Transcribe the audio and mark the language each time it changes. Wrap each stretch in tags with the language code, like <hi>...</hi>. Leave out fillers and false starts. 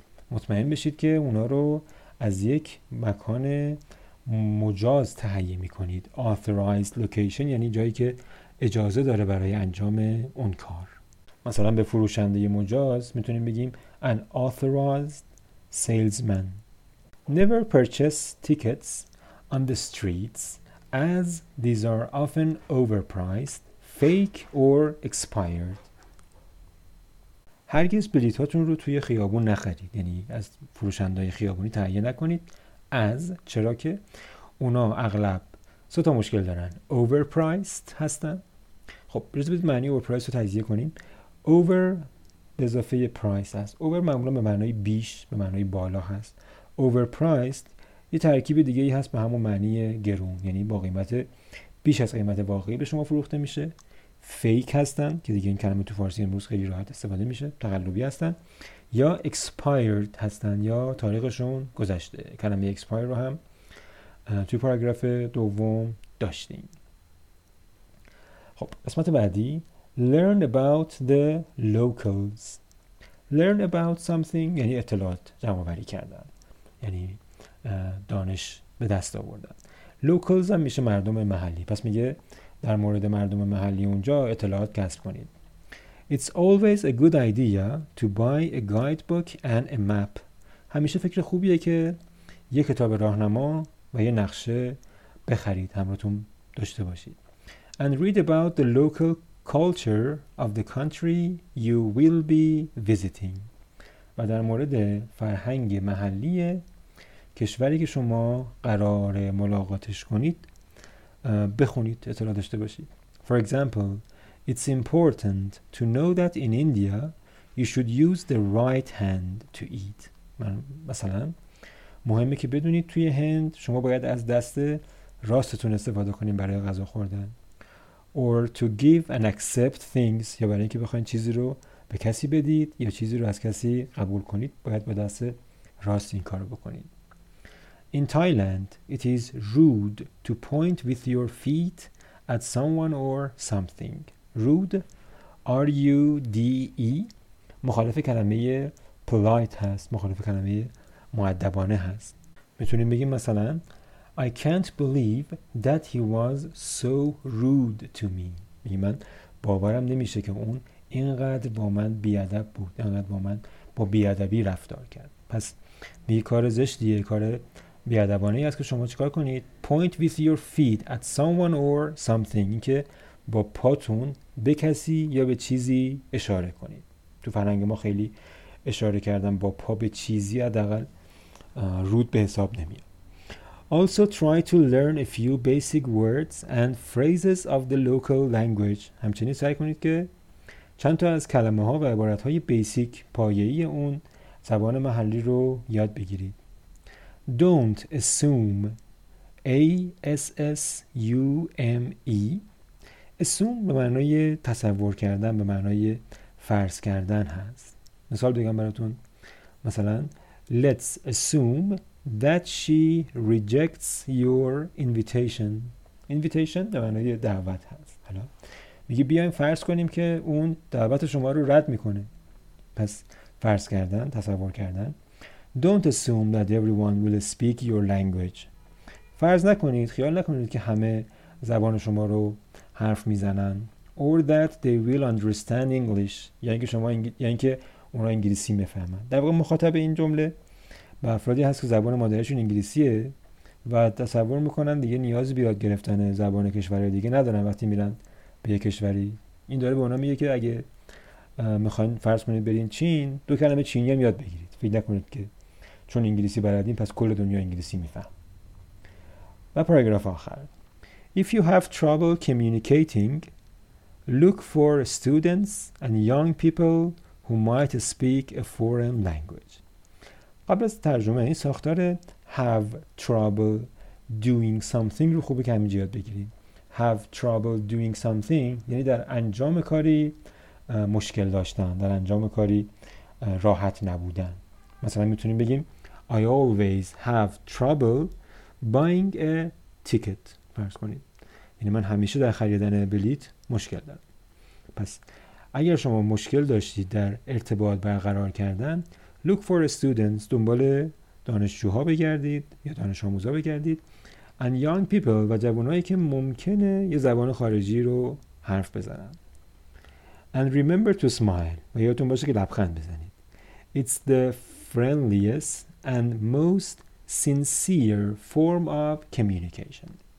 <fa>مطمئن بشید که اونا رو از یک مکان مجاز تهیه میکنید.</fa> <en>Authorized location</en> <fa>یعنی جایی که اجازه داره برای انجام اون کار. مثلا به فروشنده مجاز میتونیم بگیم</fa> <en>an authorized salesman. Never purchase tickets on the streets as these are often overpriced, fake or expired.</en> <fa>هرگز بلیتاتون رو توی خیابون نخرید، یعنی از فروشنده‌های خیابونی تهیه نکنید. از چرا که اونا اغلب سه تا مشکل دارن: overpriced هستن. خب بذارید بهت معنی overpriced رو تجزیه کنیم. over به اضافه price هست. over معمولا به معنای بیش، به معنای بالا هست. overpriced یه ترکیب دیگه ای هست به همون معنی گرون، یعنی با قیمت بیش از قیمت واقعی به شما فروخته میشه. فیک هستن که دیگه این کلمه تو فارسی امروز خیلی راحت استفاده میشه، تقلبی هستن. یا expired هستن یا تاریخشون گذشته. کلمه expired رو هم توی پاراگراف دوم داشتیم. خب قسمت بعدی،</fa> <en>learn about the locals. learn about something</en> <fa>یعنی اطلاعات جمع آوری کردن، یعنی دانش به دست آوردن. locals هم میشه مردم محلی، پس میگه در مورد مردم محلی اونجا اطلاعات کسب کنید.</fa> <en>It's always a good idea to buy a guidebook and a map.</en> <fa>همیشه فکر خوبیه که یه کتاب راهنما و یه نقشه بخرید، همراهتون داشته باشید.</fa> <en>And read about the local culture of the country you will be visiting.</en> <fa>و در مورد فرهنگ محلی کشوری که شما قرار ملاقاتش کنید بخونید، اطلاع داشته باشید.</fa> <en>For example, it's important to know that in India you should use the right hand to eat.</en> <fa>مثلا مهمه که بدونید توی هند شما باید از دست راستتون استفاده کنید برای غذا خوردن.</fa> <en>Or to give and accept things،</en> <fa>یا برای اینکه بخواید چیزی رو به کسی بدید یا چیزی رو از کسی قبول کنید باید با دست راست این کار رو بکنید.</fa> <en>In Thailand, it is rude to point with your feet at someone or something.</en> <fa>Rude, R-U-D-E, مخالف کلمه polite هست، مخالف کلمه مؤدبانه هست. میتونیم بگیم مثلا</fa> <en>I can't believe that he was so rude to me.</en> <fa>میگه من باورم نمیشه که اون اینقدر با من بیادب بود، اینقدر با من با بیادبی رفتار کرد. پس میگه کار زشتیه، کار بیادبانه ای است که شما چیکار کنید؟</fa> <en>Point with your feet at someone or something،</en> <fa>این که با پاتون به کسی یا به چیزی اشاره کنید. تو فرهنگ ما خیلی اشاره کردن با پا به چیزی حداقل رود به حساب نمیاد.</fa> <en>Also try to learn a few basic words and phrases of the local language.</en> <fa>همچنین سعی کنید که چند تا از کلمه ها و عبارت های بیسیک پایه‌ای اون زبان محلی رو یاد بگیرید.</fa> <en>Don't assume. A-S-S-U-M-E.</en> <fa>Assume به معنای تصور کردن، به معنای فرض کردن هست. مثال بگم براتون. مثلا</fa> <en>Let's assume that she rejects your invitation.</en> <fa>Invitation به معنای دعوت هست. حالا میگه بیایم فرض کنیم که اون دعوت شما رو رد میکنه. پس فرض کردن، تصور کردن. Don't assume that everyone will speak your language. فرض نکنید، خیال نکنید که همه زبان شما رو حرف میزنن. Or that they will understand English. یعنی که شما یعنی که اونا انگلیسی میفهمن. در واقع مخاطب این جمله به افرادی هست که زبان مادرشون انگلیسیه و تصور میکنن دیگه نیازی به یاد گرفتن زبان کشور دیگه ندارن وقتی میرن به یک کشوری. این داره به اونا میگه که اگه میخواین فرض کنید برین چین، دو کلمه چینی هم یاد بگیرید. فکر نکنید که چون انگلیسی بلدین پس کل دنیا انگلیسی میفهم. و پاراگراف آخر،</fa> <en>If you have trouble communicating, look for students and young people who might speak a foreign language.</en> <fa>قبل از ترجمه این ساختار</fa> <en>have trouble doing something</en> <fa>رو خوب کمی یاد بگیرید.</fa> <en>Have trouble doing something</en> <fa>یعنی در انجام کاری مشکل داشتن، در انجام کاری راحت نبودن. مثلا میتونیم بگیم</fa> <en>I always have trouble buying a ticket.</en> <fa>فرض کنید یعنی من همیشه در خریدن بلیت مشکل دارم. پس اگر شما مشکل داشتید در ارتباط برقرار کردن،</fa> <en>look for students،</en> <fa>دنبال دانشجوها بگردید یا دانش آموزا بگردید.</fa> <en>And young people،</en> <fa>و جوانهایی که ممکنه یه زبان خارجی رو حرف بزنن.</fa> <en>And remember to smile.</en> <fa>و یادتون باشه که لبخند بزنید.</fa> <en>It's the friendliest and most sincere form of communication.</en>